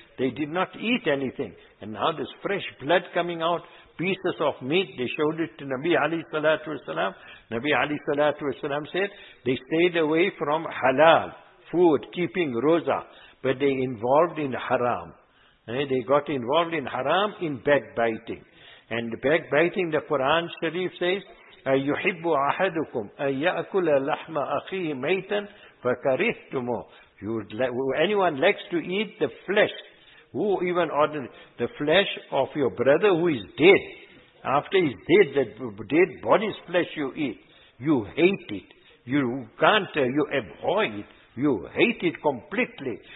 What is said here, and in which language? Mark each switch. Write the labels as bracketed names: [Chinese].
[English] They did not eat anything. And now this fresh blood coming out, pieces of meat, they showed it to Nabi alayhi salatu wasalam. Nabi alayhi salatu wasalam said, they stayed away from halal, food, keeping roza, but they involved in haram. They got involved in haram in backbiting. And backbiting, the Quran Sharif says, [Arabic] أيحب أحدكم أن يأكل لحم أخيه ميتا فكرهتموه. [English] Anyone likes to eat the flesh, who even ordered the flesh of your brother who is dead. After he's dead, that dead body's flesh you eat. You hate it. You can't, you abhor it. You hate it completely.